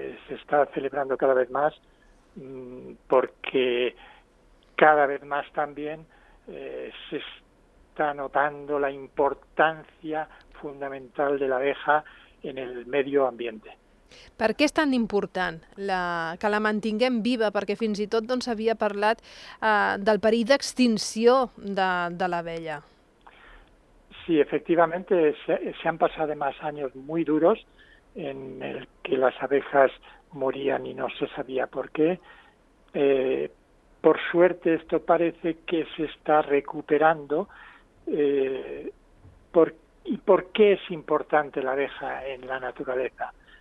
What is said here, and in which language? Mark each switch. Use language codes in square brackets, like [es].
[es] Se está celebrando cada vez más porque cada vez más también se está notando la importancia fundamental de la abeja en el medio ambiente. [ca] Per què és tan important que la mantinguem viva? Perquè fins i tot s'havia doncs, parlat del perill d'extinció de l'abella. [es] Sí, efectivamente, se han pasado además años muy duros en el que las abejas morían y no se sabía por qué. Por suerte, esto parece que se está recuperando. ¿Y por qué es importante la abeja en la naturaleza?